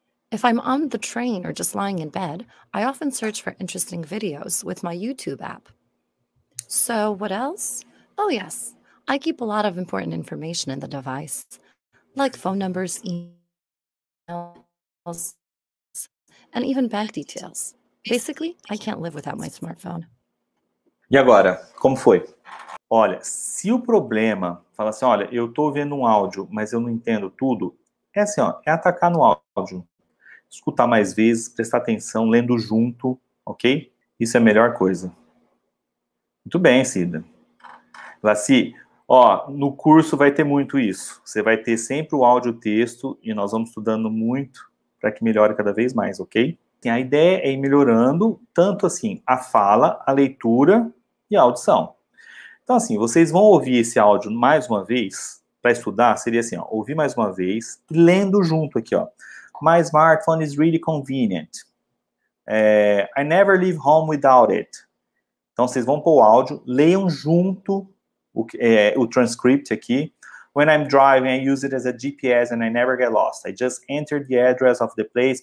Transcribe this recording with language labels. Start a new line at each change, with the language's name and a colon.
English: If I'm on the train or just lying in bed, I often search for interesting videos with my YouTube app. So what else? Oh yes, I keep a lot of important information in the device, like phone numbers, emails, and even bank details. Basically, I can't live without my smartphone.
Portuguese: E agora, como foi? Olha, se o problema, fala assim, olha, eu tô vendo áudio, mas eu não entendo tudo, é assim, ó, é atacar no áudio. Escutar mais vezes, prestar atenção, lendo junto, ok? Isso é a melhor coisa. Muito bem, Cida. Fala assim, ó, no curso vai ter muito isso. Você vai ter sempre o áudio texto e nós vamos estudando muito para que melhore cada vez mais, ok? A ideia é ir melhorando, tanto assim, a fala, a leitura e a audição. Então, assim, vocês vão ouvir esse áudio mais uma vez, para estudar, seria assim, ó, ouvir mais uma vez, lendo junto aqui, ó.
English: My smartphone is really convenient. I never leave home without it.
Portuguese: Então, vocês vão pôr o áudio, leiam junto o transcript aqui.
English: When I'm driving, I use it as a GPS and I never get lost. I just enter the address of the place.